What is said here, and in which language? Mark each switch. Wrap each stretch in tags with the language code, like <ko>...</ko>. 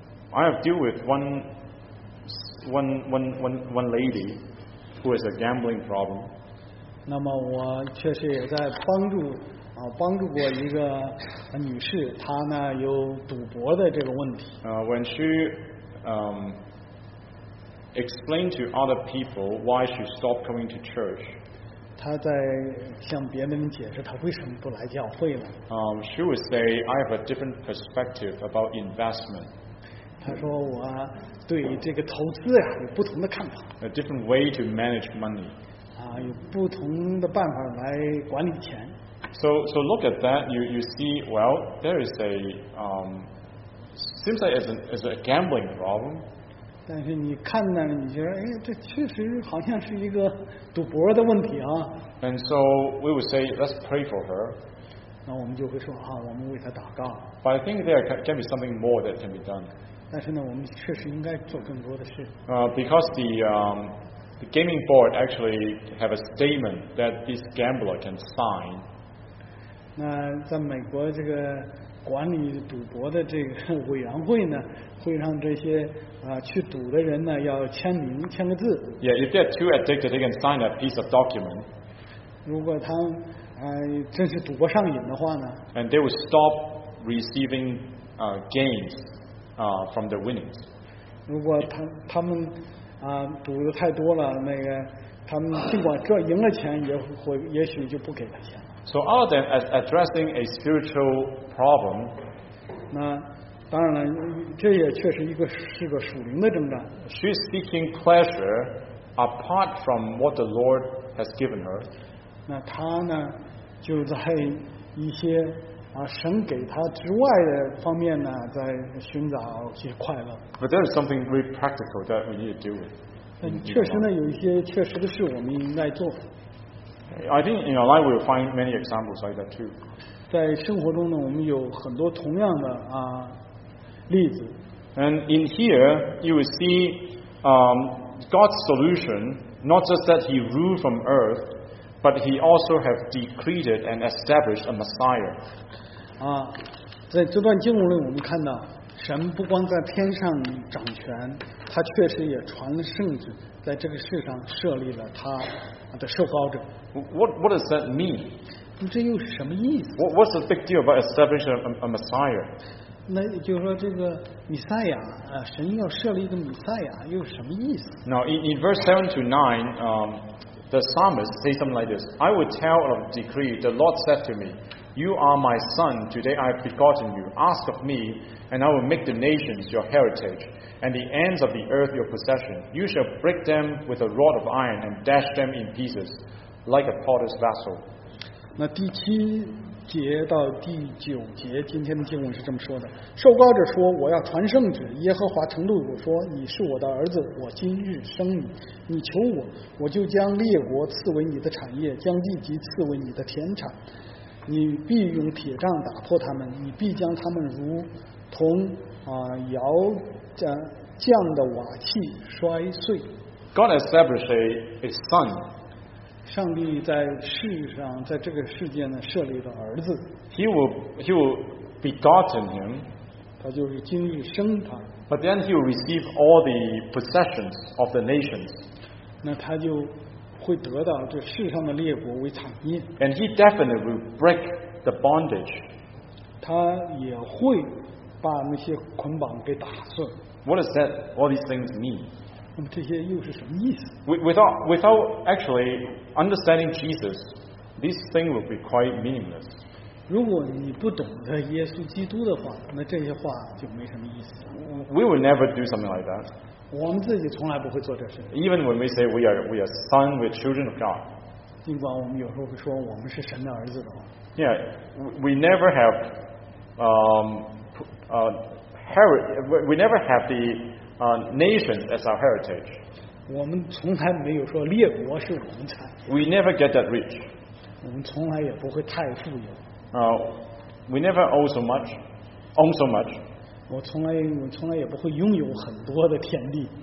<en>I have dealt with one lady who has a gambling problem.</en> <zh>那么我确实也在帮助。帮助过一个女士，她呢有赌博的这个问题。</zh> <en>When she explained to other people why she stopped coming to church,</en> <zh>她在向别人解释她为什么不来教会了。</zh> <en>She would say, I have a different perspective about investment.</en> <zh>他说我对这个投资呀、有不同的看法。</zh> <en>A different way to manage money.</en> <zh>啊，有不同的办法来管理钱。</zh> <en>So look at that. You see, well, there is a seems like it's a gambling problem.</en> <zh>但是你看呢，你觉得哎，这确实好像是一个赌博的问题啊。</zh> <en>And so we would say, let's pray for her.</en> <zh>那我们就会说啊，我们为她祷告。</zh> <en>But I think there can be something more that can be done.</en> <zh>但是呢，我们确实应该做更多的事。</zh> <en>Because the gaming board actually have a statement that this gambler can sign.</en> <zh>那在美国这个管理赌博的这个委员会呢，会让这些去赌的人呢要签名签个字。</zh> <en>Yeah, if they're too addicted, they can sign a piece of document.</en> <zh>如果他真是赌博上瘾的话呢</zh> <en>？And they will stop receiving gains from the winnings.</en> <zh>如果他们赌的太多了，那个他们尽管赚赢了钱，也许就不给他钱。</zh> <en>So other than as addressing a spiritual problem,</en> <zh>那当然了，这也确实是个属灵的征战。</zh> <en>She's seeking pleasure apart from what the Lord has given her.</en> <zh>那她呢，就在一些神给她之外的方面呢，在寻找一些快乐。</zh> <en>But there is something very practical that we need to do with.</en> <zh>但确实呢，有一些确实的事我们应该做。</zh> <en>I think in our life we will find many examples like that too.</en> <zh>在生活中呢，我们有很多同样的例子。</zh> <en>And in here, you will see God's solution, not just that He ruled from earth, but He also have decreed and established a Messiah.</en> <zh>在这段经文里，我们看到神不光在天上掌权，他确实也传了圣旨，在这个世上设立了他的受膏者。</zh> <en>What does that mean?</en> <zh>这又是什么意思？</zh> <en>What's the big deal about establishing a Messiah?</en> <zh>那就是说这个弥赛亚，神要设立一个弥赛亚，又是什么意思？</zh> <en>Now, in verse 7 to 9, the psalmist says something like this. I will tell of decree, the Lord said to me, You are my son, today I have begotten you. Ask of me, and I will make the nations your heritage. And the ends of the earth your possession. You shall break them with a rod of iron and dash them in pieces, like a potter's vessel.</en> <zh>那第七节到第九节，今天的经文是这么说的：受膏者说，我要传圣旨。耶和华承诺我说，你是我的儿子，我今日生你。你求我，我就将列国赐为你的产业，将地级赐为你的田产。你必用铁杖打破他们，你必将他们如同摇。降的瓦器摔碎。</zh> <en>God established a son.</en> <zh>上帝在世上，在这个世界呢，设立了儿子。</zh> <en>He will begotten him.</en> <zh>他就是今日生他。</zh> <en>But then he will receive all the possessions of the nations.</en> <zh>那他就会得到这世上的列国为产业。</zh> <en>And he definitely will break the bondage.</en> <zh>他也会把那些捆绑给打碎。</zh> <en>What does that all these things mean?</en> <zh>那么这些又是什么意思？</zh> <en>Without actually understanding Jesus, this thing will be quite meaningless.</en> <zh>如果你不懂得耶稣基督的话，那这些话就没什么意思。</zh> <en>We will never do something like that.</en> <zh>我们自己从来不会做这事。</zh> <en>Even when we say we are sons, we are children of God.</en> <zh>尽管我们有时候会说我们是神的儿子的话。</zh> <en>Yeah, we never have we never have the nations as our heritage.</en> <zh>我们从来没有说列国是我们产业。</zh> <en>We never get that rich.</en> <zh>我们从来也不会太富有。</zh> <en>We never own so much.</en> <zh>我从来也不会拥有很多的田地。</zh>